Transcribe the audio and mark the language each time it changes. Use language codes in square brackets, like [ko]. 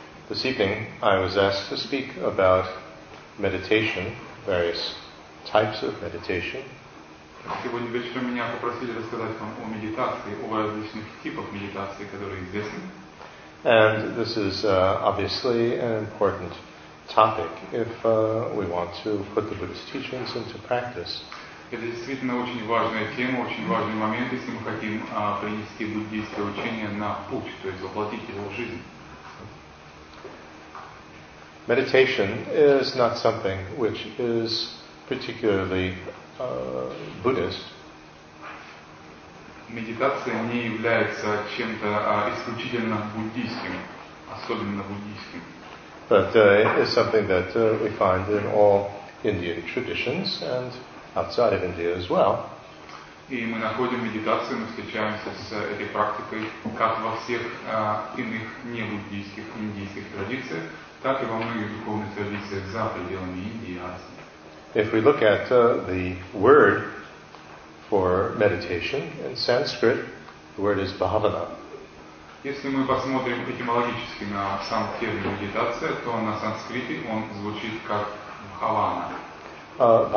[en] This evening, I was asked to speak about meditation, various types of meditation. [ru] Сегодня вечером меня попросили рассказать вам о медитации, о различных типах медитации, которые известны. [en] And this is obviously an important topic if we want to put the Buddhist teachings into practice. [ru] Это действительно очень важная тема, очень важный момент, если мы хотим принести буддийское учение на путь, то есть воплотить его в жизнь. [en] Meditation is not something which is particularly Buddhist. [ru] Медитация не является чем-то исключительно буддийским, особенно буддийским. [en] But it's something that we find in all Indian traditions and outside of India as well. [ru] И мы находим медитацию, мы встречаемся с этой практикой как во всех иных небуддийских индийских традициях, так и во многих духовных традициях за пределами Индии и Азии. [en] If we look at the word for meditation in Sanskrit, the word is bhavana. [ru] Если мы посмотрим этимологически на сам термин медитация, то на санскрите он звучит как bhavana.